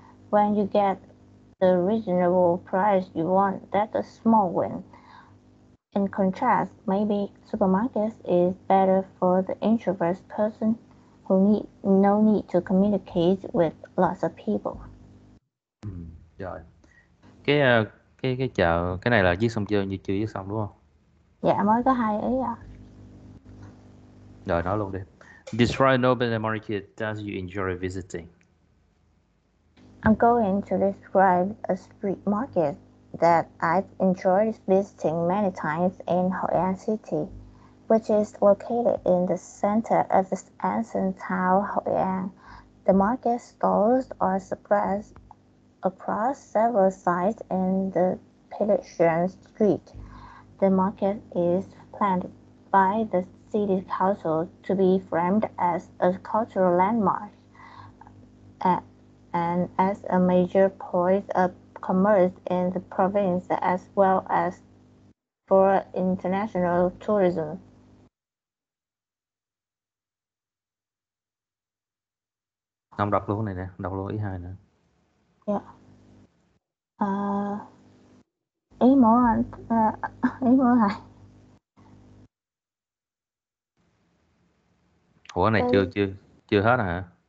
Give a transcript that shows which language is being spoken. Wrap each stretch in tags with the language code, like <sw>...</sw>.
<en>When you get the reasonable price you want, that's a small win. In contrast, maybe supermarkets is better for the introvert person who no need to communicate with lots of people.</en> <vi>Rồi. Cái chợ cái này là viết xong chưa? Như chưa viết xong đúng không? Dạ mới có hai ý ạ. Rồi nói luôn đi.</vi> <en>Describe an open air market that you enjoy visiting. I'm going to describe a street market that I've enjoyed visiting many times in Hội An City, which is located in the center of the ancient town Hội An. The market stalls are spread across several sites in the pedestrian street. The market is planned by the city council to be framed as a cultural landmark and as a major point of commerce in the province as well as for international tourism.</en> <vi>Ông đọc luôn này nè, đọc luôn ý hai nữa.</vi> <en>Yeah.</en> <vi>Ý mỗi hai. Ủa này chưa hết hả?</vi>